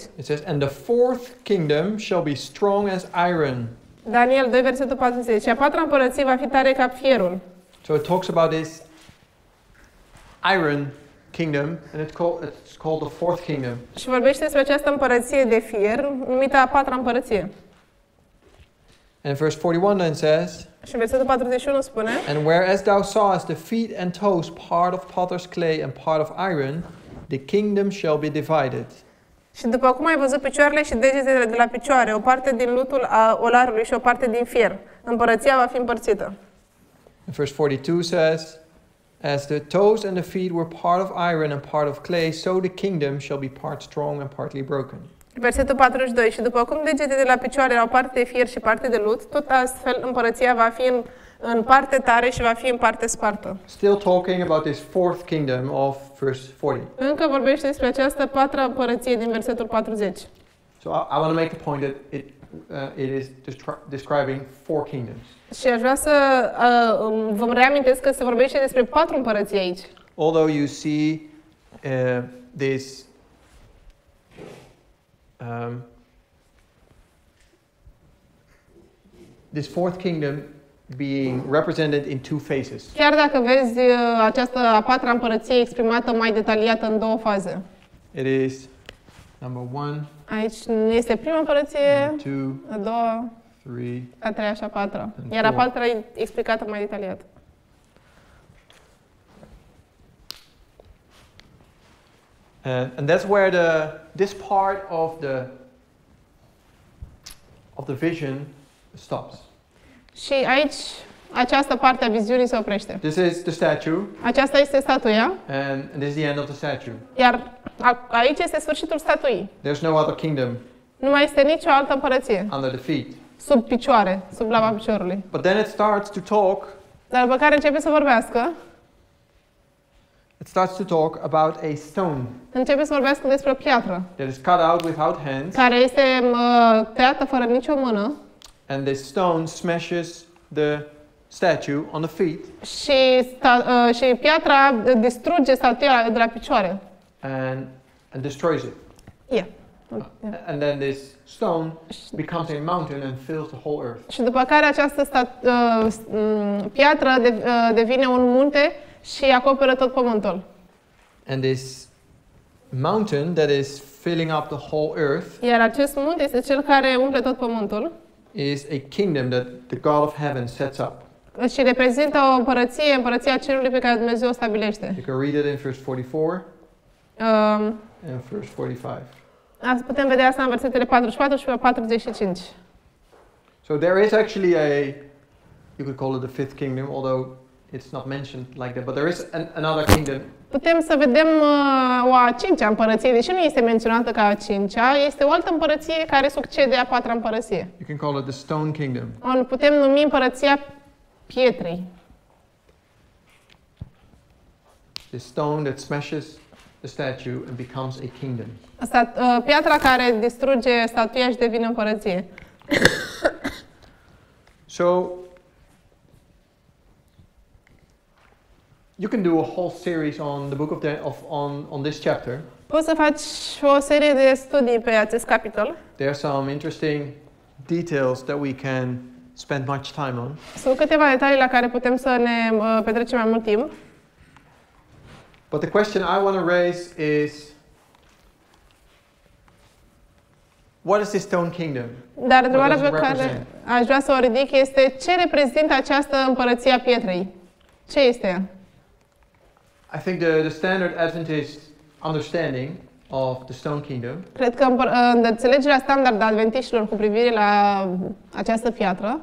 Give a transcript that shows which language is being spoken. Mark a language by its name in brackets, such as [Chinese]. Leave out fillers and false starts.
[English] It says, and the fourth kingdom shall be strong as iron. [Romanian] Daniel 2, versetul 40. A patra împărăție va fi tare ca fierul. [English] So it talks about this iron kingdom, and it's called the fourth kingdom. [Romanian] Și vorbește despre această împărăție de fier, numită a patra împărăție. [English] And verse 41 then says, [Romanian] și versetul 41 spune, [English] and whereas thou sawest the feet and toes part of potter's clay and part of iron, the kingdom shall be divided. [Romanian] Și după cum ai văzut picioarele și degetele de la picioare, o parte din lutul a olarului și o parte din fier, împărăția va fi împărțită. [English] And verse 42 says, as the toes and the feet were part of iron and part of clay, so the kingdom shall be part strong and partly broken. [Romanian] Versetul 42. Și după cum degetele de la picioare erau parte de fier și parte de lut, tot astfel împărăția va fi în parte tare și va fi în parte spartă. [English] Still talking about this fourth kingdom of verse 40. [Romanian] Încă vorbește despre această patra împărăție din versetul 40. [English] So I want to make the point that it is describing four kingdoms. [Romanian] Și aș vrea să vă reamintesc că se vorbește despre patru împărății aici. [English] Although you see this this fourth kingdom being represented in two phases. [Romanian] Chiar dacă vezi această a patra împărăție exprimată mai detaliată în două faze. [English] It is number one. [Romanian] Aici nu este prima împărăție, [English] two, [Romanian] a doua, [English] three, [Romanian] a treia și a patra. Iar a patra explicată mai detaliat. [English] And that's where this part of the vision stops. [Romanian] Și aici această parte a viziunii se oprește. [English] This is the statue. [Romanian] Aceasta este statuia. [English] And this is the end of the statue. [Romanian] Iar aici este sfârșitul statuii. [English] There's no other kingdom. [Romanian] Nu mai este nicio altă împărăție. [English] Under the feet. [Romanian] Sub picioare, sub lama piciorului. [English] But then it starts to talk. [Romanian] Dar după care începe să vorbească. [English] It starts to talk about a stone. [Romanian] Începe să vorbească despre o piatră. [English] That is cut out without hands. [Romanian] Care este tăiată fără nicio mână. [English] And this stone smashes the statue on the feet. [Romanian] Și și piatra distruge statuia de la picioare. [English] And destroys it. Yeah. And then this stone becomes a mountain and fills the whole earth. [Romanian] Și după care această piatră devine un munte și acoperă tot pământul. [English] And this mountain that is filling up the whole earth. [Romanian] Iar acest munte este cel care umple tot pământul. [English] Is a kingdom that the God of heaven sets up. [Romanian] și reprezintă o împărăție, împărăția cerului pe care Dumnezeu o stabilește. [English] You can read it in verse 44 and verse 45. [Romanian] Azi putem vedea asta în versetele 44 și 45. [English] So there is actually a, you could call it the fifth kingdom, although it's not mentioned like that, but there is another kingdom. [Romanian] Putem să vedem o a cincea împărăție, deși nu este menționată ca a cincea, este o altă împărăție care succede a patra împărăție. [English] You can call it the stone kingdom. [Romanian] O putem numi împărăția pietrei. [English] The stone that smashes the statue and becomes a kingdom. [Romanian] Asta piatra care distruge statuia și devine împărăție. [English] So you can do a whole series on the book of Daniel, on this chapter. [Romanian] Poți să faci o serie de studii pe acest capitol. [English] There are some interesting details that we can spend much time on. [Romanian] Sunt câteva detalii la care putem să ne petrecem mai mult timp. [English] But the question I want to raise is, what is this stone kingdom? [Romanian] Dar întrebarea pe care aș vrea să o ridic este, ce reprezintă această împărăție a pietrei? Ce este? [English] I think the standard Adventist understanding of the stone kingdom. [Romanian] Cred că înțelegerea standard a adventiștilor cu privire la această piatră.